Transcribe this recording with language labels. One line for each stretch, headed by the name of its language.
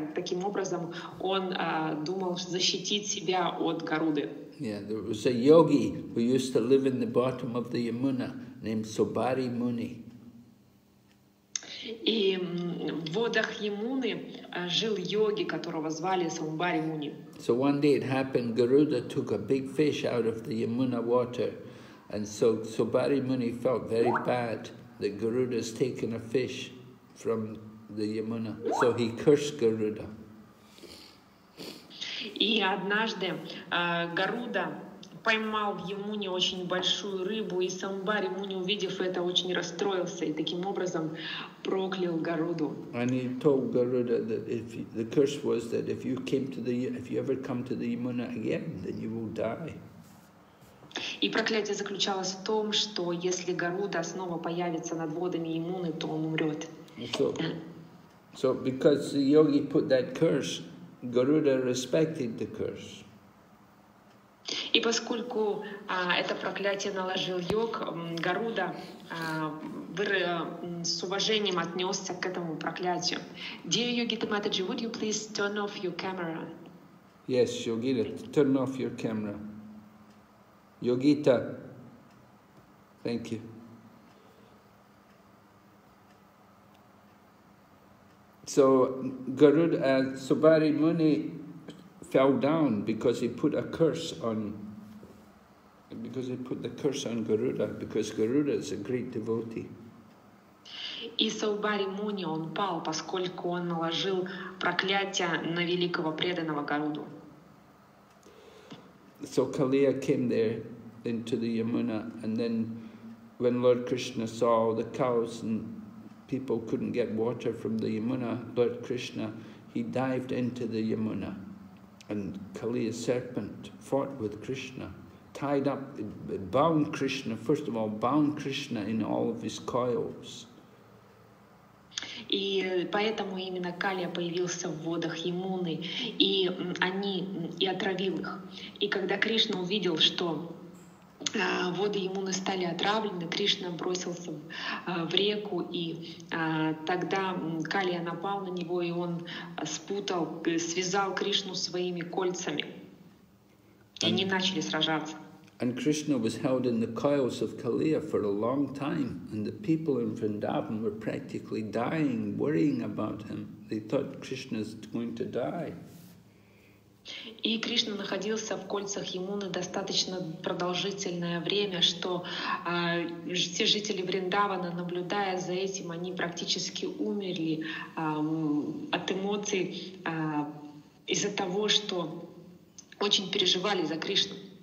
Russian: Таким образом, он думал защитить себя от Гаруды.
English: Yeah, there was a yogi who used to live in the bottom of the Yamuna named Subari Muni.
Russian: И в водах Ямуны жил йоги, которого звали Саумбари Муни.
English: So one day it happened, Garuda took a big fish out of the Yamuna water. And so Subari Muni felt very bad that Garuda has taken a fish from the Yamuna. So he cursed Garuda.
Russian: И однажды Garuda поймал в Ямуне очень большую рыбу, и Саумбари Муни, увидев это, очень расстроился и таким образом проклял Гаруду.
English: And he told Garuda that if the curse was that if you ever come to the Yamuna again, then you will die.
Russian: И проклятие заключалось в том, что если Гаруда снова появится над водами Ямуны, то он умрет.
English: So because the yogi put that curse, Garuda respected the curse.
Russian: И поскольку это проклятие наложил йог, Гаруда с уважением отнесся к этому проклятию.
English: Dear Yogita Mataji, would you please turn off your camera? Yes, Yogita, turn off your camera. Yogita, thank you. So Garuda, Subari Muni fell down because he put a curse on Garuda, because Garuda is a great devotee.
Russian: И Саубари Муни, он пал, поскольку он наложил проклятие на великого преданного Гаруду.
English: So Kaliya came there into the Yamuna, and then when Lord Krishna saw the cows and people couldn't get water from the Yamuna, Lord Krishna, he dived into the Yamuna, and Kaliya's serpent fought with Krishna. Tied up, bound Krishna, first of all, bound Krishna in all of his coils.
Russian: И поэтому именно Калия появился в водах Ямуны, и отравил их. И когда Кришна увидел, что воды Ямуны стали отравлены, Кришна бросился в реку, и тогда Калия напал на него, и он связал Кришну своими кольцами. И они начали сражаться.
English: And Krishna was held in the coils of Kaliya for a long time, and the people in Vrindavan were practically dying, worrying about him. They thought Krishna's going to die.
Russian: И Кришна находился в кольцах Ямуны достаточно продолжительное время, что все жители Вриндавана, наблюдая за этим, они практически умерли от эмоций из-за того, что очень переживали за Кришну.